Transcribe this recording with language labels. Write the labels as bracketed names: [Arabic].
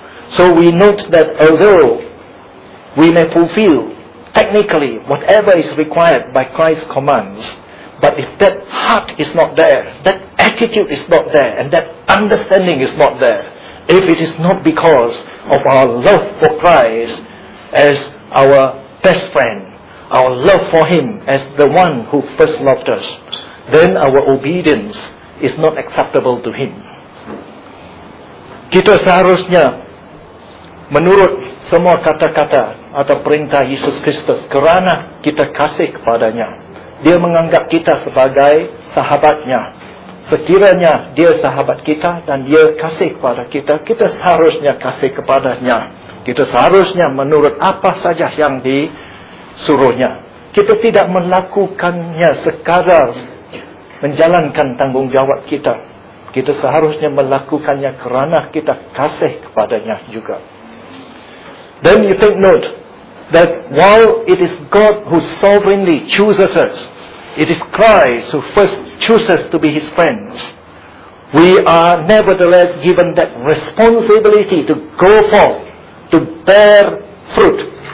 [English] So we note that although we may fulfill technically whatever is required by Christ's commands, but if that heart is not there, that attitude is not there, and that understanding is not there, if it is not because of our love for Christ as our best friend, our love for him as the one who first loved us, then our obedience is not acceptable to him. [Malay] Kita seharusnya menurut semua kata-kata atau perintah Yesus Kristus kerana kita kasih kepadanya. Dia menganggap kita sebagai sahabatnya. Sekiranya dia sahabat kita dan dia kasih kepada kita, kita seharusnya kasih kepadanya. Kita seharusnya menurut apa saja yang disuruhnya. Kita tidak melakukannya sekadar menjalankan tanggungjawab kita. Kita seharusnya melakukannya kerana kita kasih kepadanya juga. [English] Then you take note that while it is God who sovereignly chooses us, it is Christ who first chooses to be his friends. We are nevertheless given that responsibility to go forth, to bear fruit.